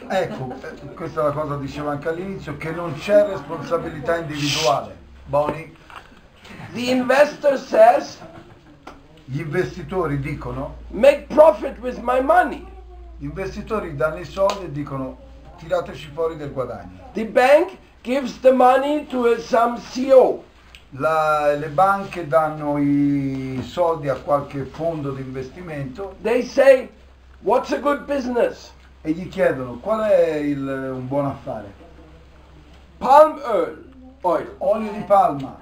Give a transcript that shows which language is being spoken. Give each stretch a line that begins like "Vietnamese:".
Italian: Ecco, questa è la cosa che dicevo anche all'inizio, che non c'è responsabilità individuale. Bonnie.
English: The investor says.
Italian: Gli investitori dicono.
English: Make profit with my money.
Italian: Gli investitori danno i soldi e dicono tirateci fuori del guadagno.
English: The bank gives the money to some CEO.
Italian: Le banche danno i soldi a qualche fondo di investimento.
English: They say, what's a good business?
Italian: E gli chiedono qual è un buon affare.
English: Palm oil. Oil.
Italian: Olio di palma.